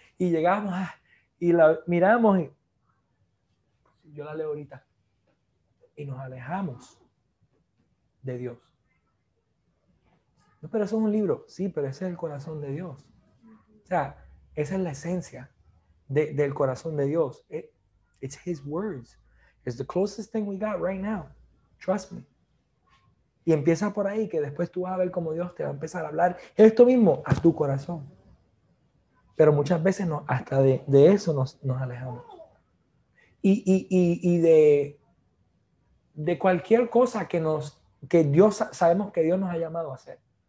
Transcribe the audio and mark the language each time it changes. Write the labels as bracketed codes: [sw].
[es] Y llegamos y la miramos y yo la leo ahorita. Y nos alejamos de Dios. No, pero eso es un libro. Sí, pero ese es el corazón de Dios. O sea, esa es la esencia del corazón de Dios. [en] It's his words. It's the closest thing we got right now. Trust me. [es] Y empieza por ahí, que después tú vas a ver cómo Dios te va a empezar a hablar esto mismo a tu corazón. Pero muchas veces no, hasta de eso nos alejamos. Y de cualquier cosa que Dios, sabemos que Dios nos ha llamado a hacer.